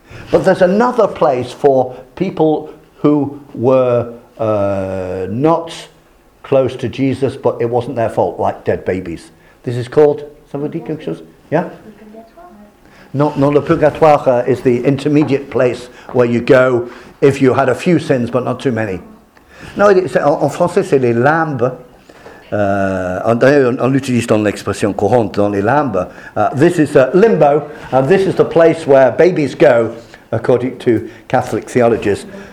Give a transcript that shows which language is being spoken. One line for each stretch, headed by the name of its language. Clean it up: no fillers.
English: But there's another place for people who were not close to Jesus, but it wasn't their fault, like dead babies. This is called, somebody can show us? Yeah? No, le purgatoire is the intermediate place where you go if you had a few sins, but not too many.
French: No, en français, c'est les limbes. D'ailleurs, on l'utilise dans l'expression courante, dans les limbes.
English: This is limbo, and this is the place where babies go, according to Catholic theologians.